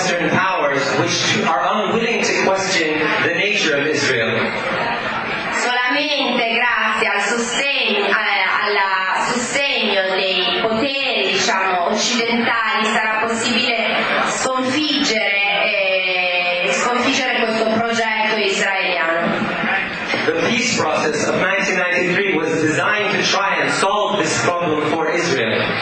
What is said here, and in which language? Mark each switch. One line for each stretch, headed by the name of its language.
English: Are unwilling to question the nature of Israel.
Italian: Solamente grazie al sostegno, al sostegno dei poteri, diciamo, occidentali sarà possibile sconfiggere questo progetto israeliano.
English: The peace process of 1993 was designed to try and solve this problem for Israel.